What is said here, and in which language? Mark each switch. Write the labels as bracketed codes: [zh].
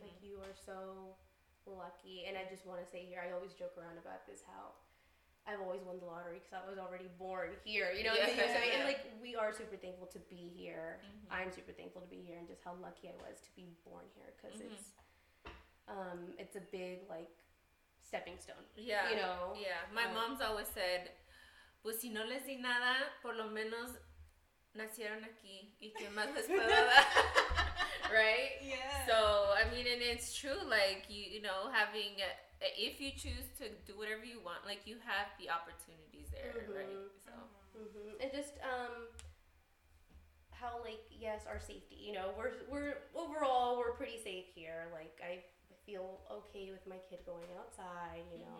[en] Like, you are so lucky. And I just want to say here, I always joke around about this, how I've always won the lottery because I was already born here, you know, yeah. so, and like, we are super thankful to be here. Mm-hmm. I'm super thankful to be here and just how lucky I was to be born here, because mm-hmm. it's a big, like, stepping stone. Yeah, you know. Yeah, my mom's always said, [es] pues si no les di nada, por lo menos nacieron aquí y que más les puedo dar. [en] Right? Yeah. So, I mean, and it's true, like, you know, having, if you choose to do whatever you want, like, you have the opportunities there, mm-hmm. right? So. Mm-hmm. And just, how, like, yes, our safety, you know, we're overall pretty safe here, like, I feel okay with my kid going outside, you know,